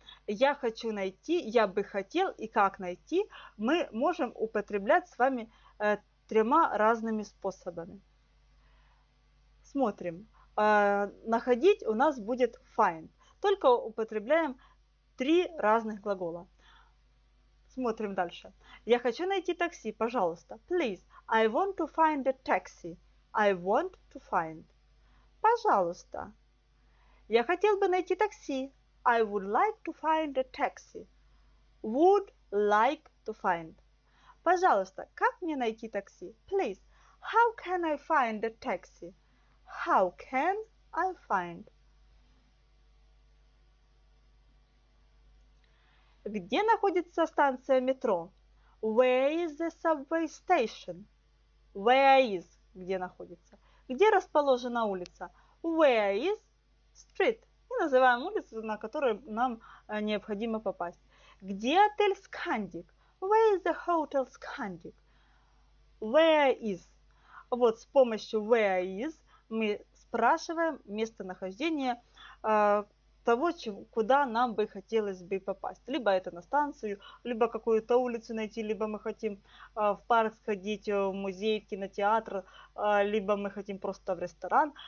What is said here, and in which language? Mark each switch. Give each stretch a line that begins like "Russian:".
Russian: Я хочу найти, я бы хотел и как найти, мы можем употреблять с вами тремя разными способами. Смотрим. Находить у нас будет find. Только употребляем три разных глагола. Смотрим дальше. Я хочу найти такси, пожалуйста.
English: Please, I want to find a taxi. I want to find.
Russian: Пожалуйста. Я хотел бы найти такси.
English: I would like to find a taxi. Would like to find.
Russian: Пожалуйста, как мне найти такси?
English: Please, how can I find a taxi? How can I find?
Russian: Где находится станция метро?
English: Where is the subway station? Where is,
Russian: где находится? Где расположена улица?
English: Where is street?
Russian: И называем улицу, на которую нам необходимо попасть. Где отель Скандик?
English: Where is the hotel Скандик? Where is?
Russian: Вот с помощью where is мы спрашиваем местонахождение того, куда нам бы хотелось бы попасть. Либо это на станцию, либо какую-то улицу найти, либо мы хотим в парк сходить, в музей, в кинотеатр, либо мы хотим просто в ресторан.